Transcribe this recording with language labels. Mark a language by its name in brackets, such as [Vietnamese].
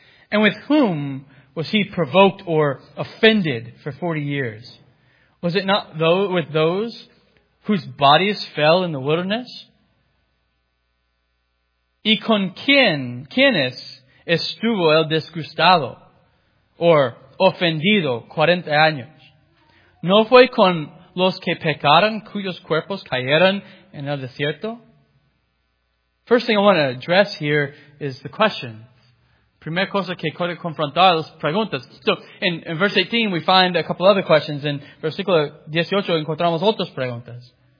[English] And with whom was he provoked or offended for 40 years? Was it not though with those whose bodies fell in the wilderness? [Spanish] ¿Y con quiénes estuvo el disgustado o ofendido 40 años? ¿No fue con los que pecaron cuyos cuerpos cayeron en el desierto? [English] First thing I want to address here is the question. [Spanish] Primera cosa que quiero confrontar las preguntas. [English] So, in verse 18 we find a couple other questions. [Spanish] In versículo 18 encontramos otras preguntas.